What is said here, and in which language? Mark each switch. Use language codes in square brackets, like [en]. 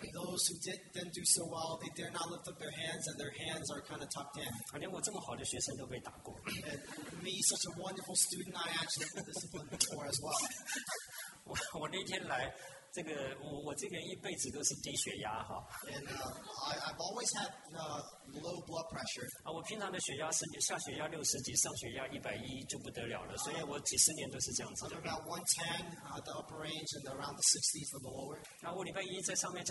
[en] Those who didn't do so well, they dare not lift up their hands, and their hands are kind of tucked in. [zh] 连我这么好的学生都被打过。 [en] Me, such a wonderful student, I actually been disciplined before as well. [zh] 我那天来，这个我这个人一辈子都是低血压哈。 [en] And I've always had low blood pressure. [zh] 我平常的血压是下血压60几，上血压110就不得了了，所以我几十年都是这样子的。 [en] I'm about 110 at the upper range and around the 60s for the lower.